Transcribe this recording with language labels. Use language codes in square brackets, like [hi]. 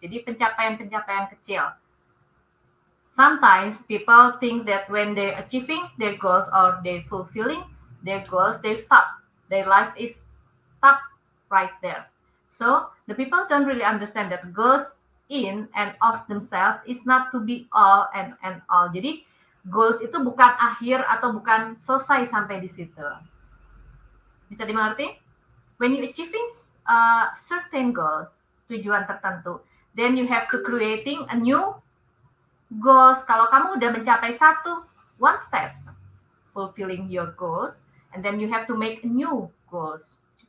[id] Jadi pencapaian-pencapaian kecil. [en] Sometimes people think that when they're achieving their goals or they're fulfilling their goals, they stop. Their life is stuck right there. So the people don't really understand that goals in and of themselves is not to be all and all. [id] Jadi goals itu bukan akhir atau bukan selesai sampai di situ. Bisa dimengerti? [en] When you achieving certain goals, [id] tujuan tertentu, [en] then you have to creating a new goals. [id] Kalau kamu udah mencapai satu, [en] one steps fulfilling your goals, and then you have to make a new goals.